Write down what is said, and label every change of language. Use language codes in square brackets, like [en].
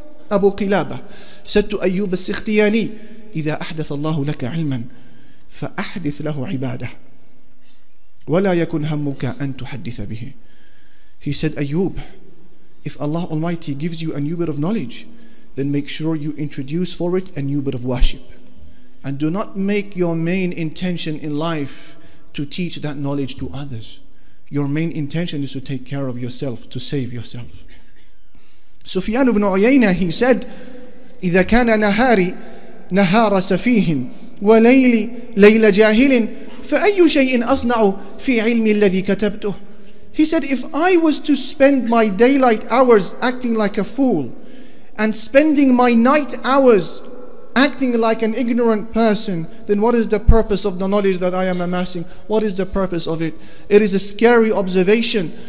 [en] Abu Qilabah said to Ayyub al-Sikhtiyani, [ar] إِذَا أَحْدَثَ اللَّهُ لَكَ عِلْمًا فَأَحْدِثْ لَهُ عِبَادَهُ وَلَا يَكُنْ هَمُّكَ أَن تُحَدِّثَ بِهِ. [en] He said, Ayyub, if Allah Almighty gives you a new bit of knowledge, then make sure you introduce for it a new bit of worship. And do not make your main intention in life to teach that knowledge to others. Your main intention is to take care of yourself, to save yourself. Sufyan ibn Uyayna, he said, [ar] إِذَا كَانَ نَهَارِ نَهَارَ سَفِيهٍ وَلَيْلِ لَيْلَ جَاهِلٍ فَأَيُّ شَيْءٍ أَصْنَعُ فِي عِلْمِ الَّذِي كَتَبْتُهُ. [en] He said, if I was to spend my daylight hours acting like a fool and spending my night hours acting like an ignorant person, then what is the purpose of the knowledge that I am amassing? What is the purpose of it? It is a scary observation.